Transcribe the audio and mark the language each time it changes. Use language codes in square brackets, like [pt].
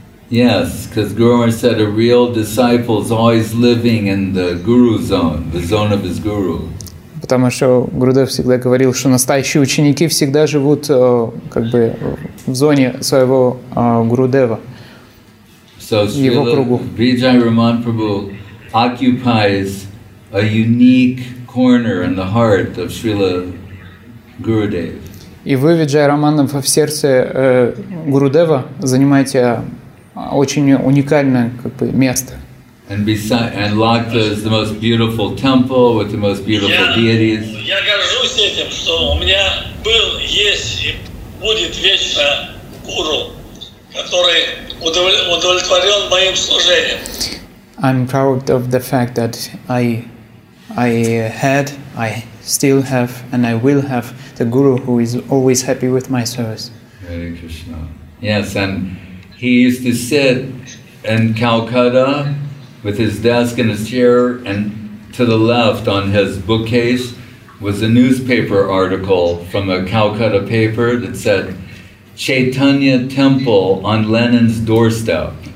[en] Yes, because Guru Maharaj said a real disciple is always living in the guru zone, the zone of his guru. [ru] Потому что Гурудев всегда говорил, что настоящие ученики всегда живут как бы в зоне своего Гурудева. [en] So Vijay Raman Prabhu occupies a unique corner in the heart of Srila Gurudev. [ru] И вы, Виджай Раман, в сердце Гурудева занимаете очень уникальное как бы место. [en] And Lakhta is the most beautiful temple with the most beautiful deities. [ru] Я горжусь этим, что у меня был, есть и будет вечно гуру, который удовлетворен моим служением. [en] I'm proud of the fact that I still have, and I will have the guru who is always happy with my service. Hare Krishna. Yes, and he used to sit in Calcutta with his desk and his chair, and to the left on his bookcase was a newspaper article from a Calcutta paper that said, Chaitanya Temple on Lenin's doorstep.